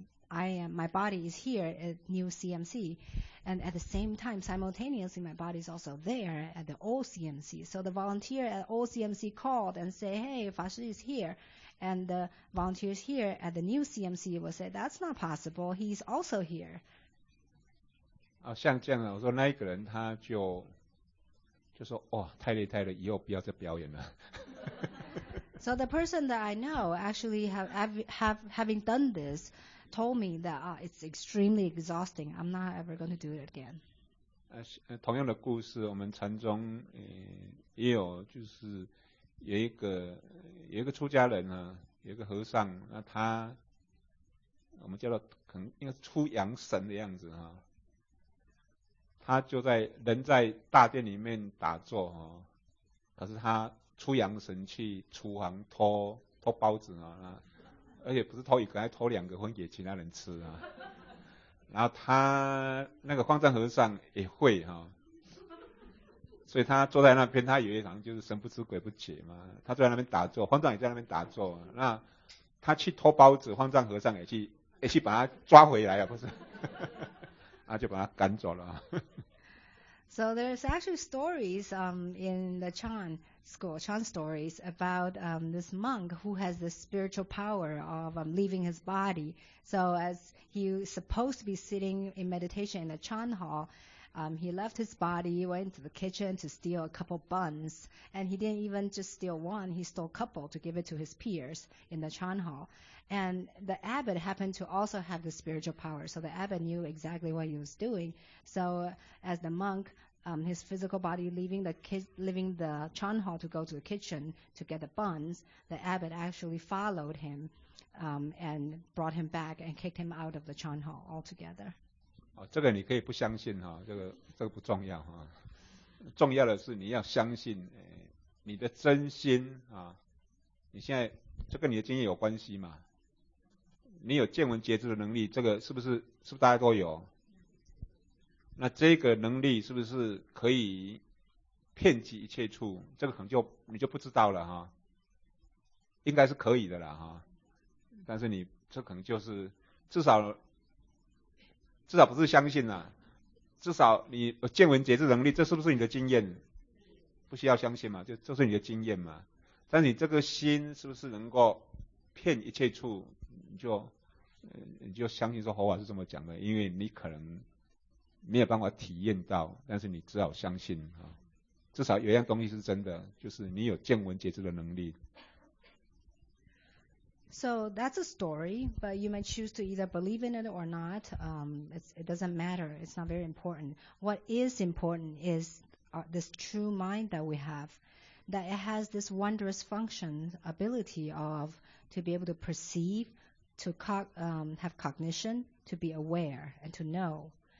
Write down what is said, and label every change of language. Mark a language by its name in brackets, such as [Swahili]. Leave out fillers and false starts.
[English] My body is here at new CMC. And at the same time, simultaneously, my body is also there at the old CMC. So the volunteer at old CMC called and say, hey, 法师 is here. And the volunteers here at the new CMC will say, that's not possible, he's also here. [Chinese] 像这样的，我说那一个人他就说，哇，太累太累，以后不要再表演了。 [English] So the person that I know actually having done this told me that it's extremely exhausting, I'm not ever going to do it again. [Chinese] 同样的故事，我们禅宗也有就是有一个出家人啊，有一个和尚，那他我们叫做可能应该是出阳神的样子啊，他就在人在大殿里面打坐啊，可是他出阳神去厨房偷包子啊，而且不是偷一个，还偷两个分给其他人吃啊，然后他那个方丈和尚也会啊。所以他坐在那边，他以为好像就是神不知鬼不觉嘛。他坐在那边打坐，方丈也在那边打坐。那他去偷包子，方丈和尚也去把他抓回来啊，不是？啊，就把他赶走了。 [English] So there's actually stories in the Chan school, Chan stories about this monk who has the spiritual power of leaving his body. So as he was supposed to be sitting in meditation in the Chan hall. He left his body, went into the kitchen to steal a couple buns, and he didn't even just steal one, he stole a couple to give it to his peers in the Chan Hall. And the abbot happened to also have the spiritual power, so the abbot knew exactly what he was doing. So as the monk His physical body leaving the leaving the Chan Hall to go to the kitchen to get the buns, the abbot actually followed him and brought him back and kicked him out of the Chan Hall altogether. [Chinese] 哦, 这个你可以不相信, 哦, 这个不重要, 哦, 重要的是你要相信, 哎, 你的真心, 啊, 你现在, 这跟你的经验有关系吗? 你有见闻觉知的能力, 这个是不是, 是不是大家都有? 那这个能力是不是可以遍及一切处? 这个可能就你就不知道了, 应该是可以的啦, 但是你这可能就是, 至少不是相信啦, 至少你有见闻觉知能力, 这是不是你的经验? 不需要相信嘛, 就是你的经验嘛, 但你这个心是不是能够遍一切处? 你就相信说佛法是这么讲的, 因为你可能 没有办法体验到, 但是你只好相信, 啊, 至少有一样东西是真的, 就是你有见闻觉知的能力。 [English] So that's a story, but you may choose to either believe in it or not. It doesn't matter. It's not very important. What is important is this true mind that we have, that it has this wondrous function, ability of to be able to perceive, to have cognition, to be aware, and to know.